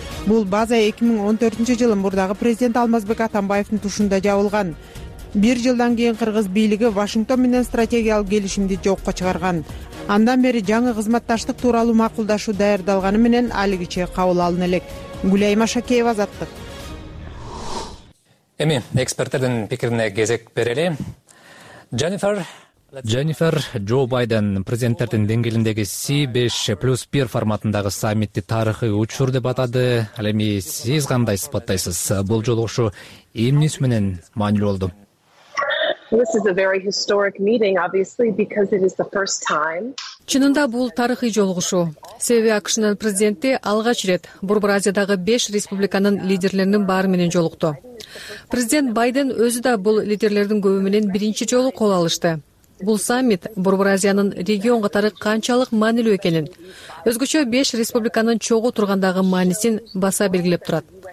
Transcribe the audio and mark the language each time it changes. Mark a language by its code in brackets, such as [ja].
[ky] Бул база 2014 жылы мурдагы президент Алмазбек Атамбаевдин тушунда жабылган. Бир жылдан кийин кыргыз бийлиги Вашингтон менен стратегиялык келишимди жокко чыгарган. Андан бери жаңы кызматташтык тууралуу макулдашуу даярдалганы менен алгыча кабыл алына элек. Гүлайма Шакеева азаттык. Эми эксперттердин пикирине кезек берели. Дженнифер, Джо Байден президенттердин деңгээлиндеги C5+1 форматындагы саммитти тарыхый учур деп атады. Ал эми сиз кандай сыпаттайсыз? Бул жолугушуу эмнеси менен маанилүү болду? [en] This is a very historic meeting, obviously, because it is the first time. [ky] Чынында бул тарыхый жолугушуу. Себеби АКШнын президенти алгач ирет Борбор Азиядагы 5 республиканын лидерлеринин баары менен жолукту. Президент Байден өзү да бул лидерлердин көбү менен биринчи жолу кол алышты. Бул саммит Борбор Азиянын регион катары канчалык маанилүү экенин, өзгөчө 5 республиканын чогуу тургандагы маанисин баса белгилеп турат.